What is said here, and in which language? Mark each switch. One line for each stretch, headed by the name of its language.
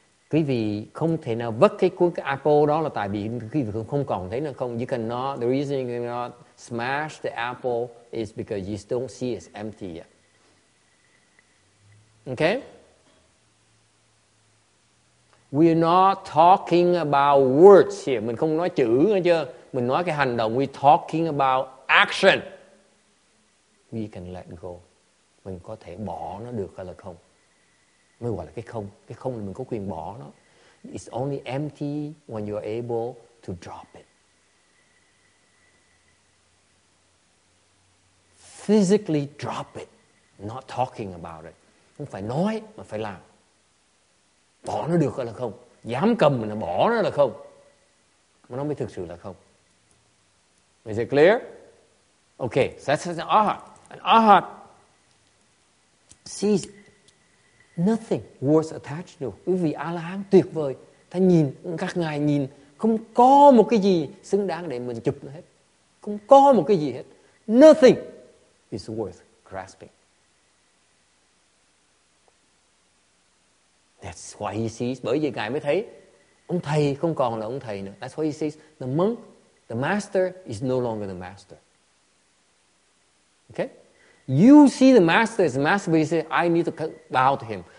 Vietnamese: Quý vị không thể nào vứt cái apple đó là tại vì quý vị không còn thấy nó không.
English: The reason you cannot smash the apple is because you still don't see it's empty yet. Okay? We're not talking about words here.
Vietnamese: Mình không nói chữ nữa chứ. Mình nói cái hành động.
English: We're talking about action. We can let go.
Vietnamese: Mình có thể bỏ nó được hay là không? Mới gọi là cái không. Cái không là mình có quyền bỏ nó.
English: It's only empty when you're able to drop it. Physically drop it. Not talking about it.
Vietnamese: Không phải nói mà phải làm. Bỏ nó được hay là không? Dám cầm mình là bỏ nó là không? Mà nó mới thực sự là không.
English: Is it clear? Okay, so that's an ahat. An ahat sees nothing words attached to.
Vietnamese: Quý vị A-la-hán tuyệt vời. Ta nhìn, các ngài nhìn, không có một cái gì xứng đáng để mình chụp nó hết. Không có một cái gì hết.
English: Nothing is worth grasping. That's why he sees.
Vietnamese: Bởi vì ngài mới thấy ông thầy không còn là ông thầy nữa.
English: That's why he sees the monk, the master is no longer the master. Okay? You see the master as the master, but you say, I need to bow to him.